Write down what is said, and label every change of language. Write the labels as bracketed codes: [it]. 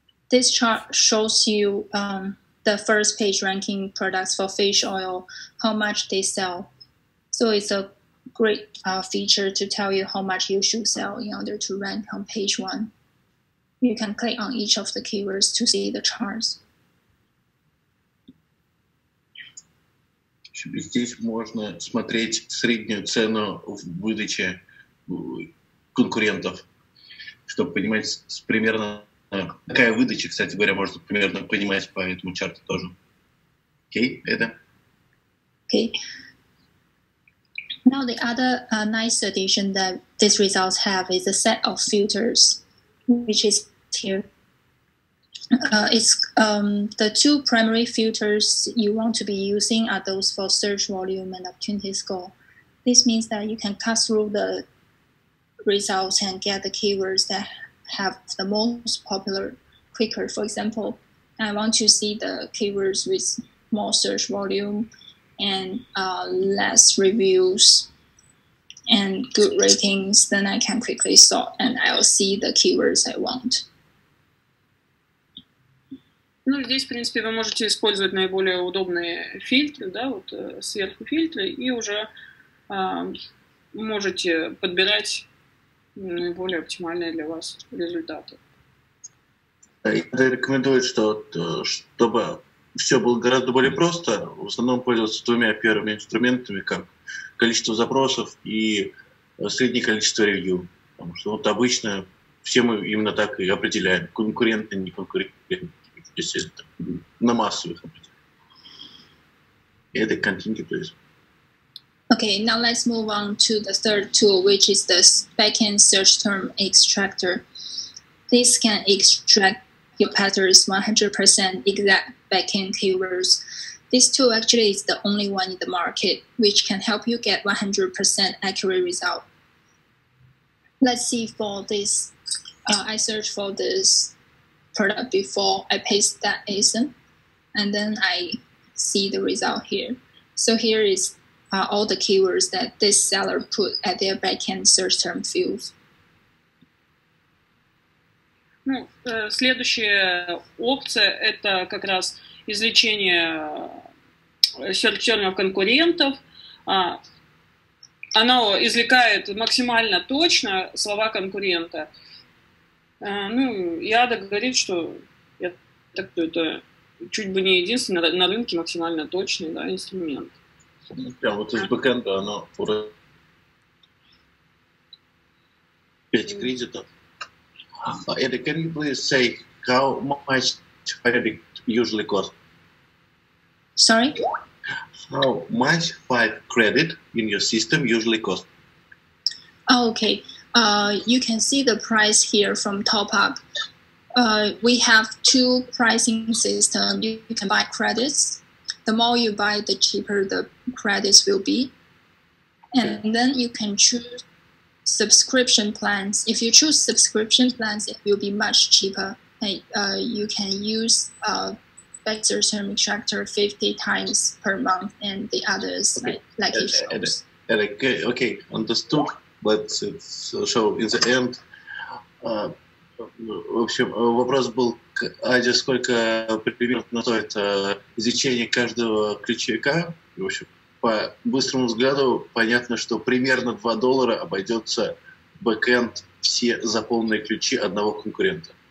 [en] This chart shows you the first page ranking products for fish oil, how much they sell. So it's a great feature to tell you how much you should sell in order to rank on page one. You can click on each of the keywords to see the charts. [ru] Здесь можно смотреть среднюю цену в выдаче конкурентов, чтобы понимать примерно... Какая выдача, кстати говоря, можно примерно понимать по этому чарту тоже. Окей, это? Окей. [en] Now the other nice addition that these results have is a set of filters, which is here. The two primary filters you want to be using are those for search volume and opportunity score. This means that you can cut through the results and get the keywords that have the most popular quicker. For example, I want to see the keywords with more search volume and less reviews and good ratings, then I can quickly sort and I'll see the keywords I want. [ru] Ну, здесь, в принципе, вы можете использовать наиболее удобные фильтры, да, вот сверху фильтры, и уже можете подбирать наиболее оптимальные для вас результаты. Я рекомендую, что чтобы все было гораздо более просто, в основном пользоваться двумя первыми инструментами, как количество запросов и среднее количество ревью. Потому что вот обычно все мы именно так и определяем, конкурентные, не конкурентные, если на массовых определяем. Это [en] continue, please. Okay, now let's move on to the third tool, which is the backend search term extractor. This can extract your patterns 100% exact backend keywords. This tool actually is the only one in the market, which can help you get 100% accurate result. Let's see for this, I searched for this product before I paste that ASIN. and then I see the result here. So here is all the keywords that this seller put at their backend search term fields. [ru] Ну, следующая опция – это как раз извлечение серч-термов конкурентов. Оно извлекает максимально точно слова конкурента. Ну, и Ада говорит, что это чуть бы не единственный на рынке максимально точный, да, инструмент. Прям вот из бэкэнда оно 5 кредитов. [en] Эда, can you please say how much five usually cost? Sorry? How much five credit in your system usually cost? Okay. You can see the price here from top up. We have two pricing systems. You can buy credits. The more you buy, the cheaper the credits will be. And then you can choose subscription plans. If you choose subscription plans, it will be much cheaper. You can use a vector term extractor 50 times per month and the others, okay. like it shows. Okay, understood. But so in the end, [ru] в общем, вопрос был, Адя, сколько примерно стоит изучение каждого ключевика? В общем, по быстрому взгляду понятно, что примерно $2 обойдется бэкэнд все заполненные ключи одного конкурента.